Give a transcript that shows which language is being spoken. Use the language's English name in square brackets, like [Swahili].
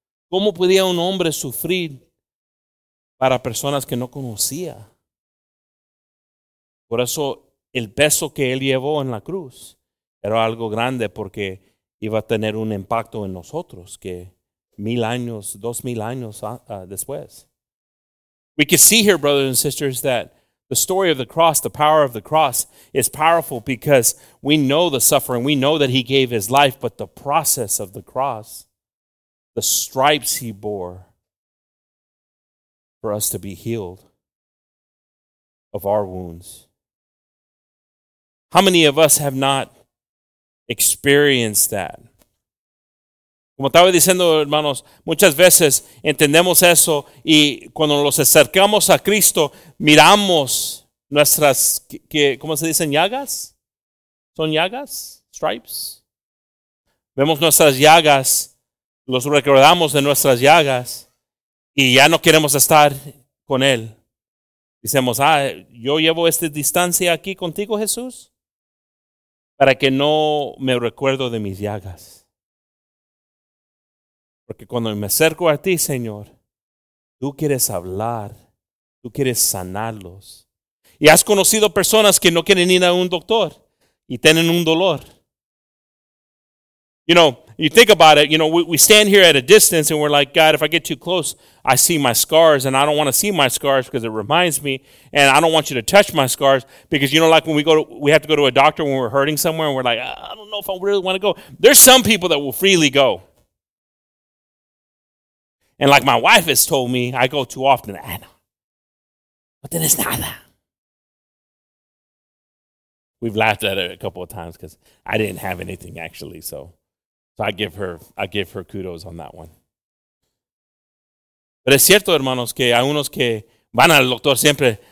[Spanish] ¿Cómo podía un hombre sufrir para personas que no conocía? Por eso el peso que él llevó en la cruz era algo grande porque iba a tener un impacto en nosotros que 2,000 años después. [English] We can see here, brothers and sisters, that The story of the cross, the power of the cross is powerful because we know the suffering. We know that he gave his life, but the process of the cross, the stripes he bore for us to be healed of our wounds. How many of us have not experienced that? [Spanish] Como estaba diciendo, hermanos, muchas veces entendemos eso y cuando nos acercamos a Cristo, miramos nuestras, ¿cómo se dicen? ¿Llagas? ¿Son llagas? ¿Stripes? Vemos nuestras llagas, los recordamos de nuestras llagas y ya no queremos estar con Él. Dicemos, ah, yo llevo esta distancia aquí contigo, Jesús, para que no me recuerdo de mis llagas. Porque cuando me acerco a ti, Señor, tú quieres hablar, tú quieres sanarlos. Y has conocido personas que no quieren ir a un doctor y tienen un dolor. [English] You know, you think about it, you know, we stand here at a distance and we're like, God, if I get too close, I see my scars and I don't want to see my scars because it reminds me and I don't want you to touch my scars because, you know, like when we have to go to a doctor when we're hurting somewhere and we're like, I don't know if I really want to go. There's some people that will freely go. And like my wife has told me, I go too often. Anna. But then it's nada. We've laughed at it a couple of times because I didn't have anything actually. So I give her kudos on that one. [Spanish] Pero es cierto, hermanos, que hay unos que van al doctor siempre.